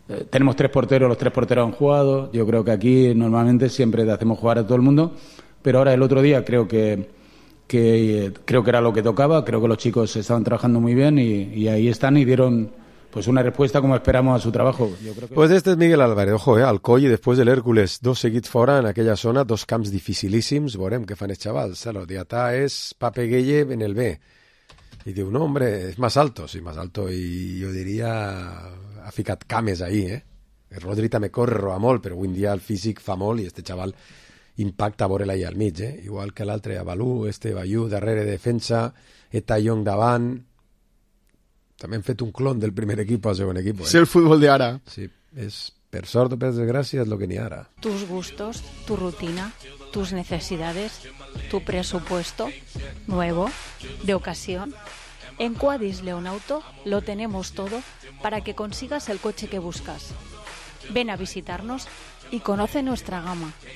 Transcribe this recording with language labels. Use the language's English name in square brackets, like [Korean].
[Spanish] Tenemos tres porteros, los tres porteros han jugado. Yo creo que aquí normalmente siempre te hacemos jugar a todo el mundo, pero ahora el otro día creo que era lo que tocaba. Creo que los chicos estaban trabajando muy bien y ahí están y dieron pues una respuesta como esperamos a su trabajo. Yo creo que... Pues este es Miguel Álvarez. Ojo, Alcoy después del Hércules. [Catalan] Dos seguits fora en aquella zona, dos camps dificilíssims. Veurem què fan els xavals. El dia ta és Pape Gueye en el B. I diu, no, hombre, és más alto. Sí, más alto. I jo diria, ha ficat cames ahí, eh? El Rodri també corre, roa molt, però avui en dia el físic fa molt i este xaval impacta a veure-la allà al mig, eh? Igual que l'altre, Avalú, este Bayú, darrere defensa, Eta Young davant... També han fet un clon del primer equip al segon equip. Sí, el futbol d'ara. Sí, és per sort o per desgràcia és el que n'hi ha ara. [Spanish] Tus gustos, tu rutina, tus necesidades, tu presupuesto, nuevo, de ocasión. En Quadis Leonauto lo tenemos todo para que consigas el coche que buscas. Ven a visitarnos y conoce nuestra gama.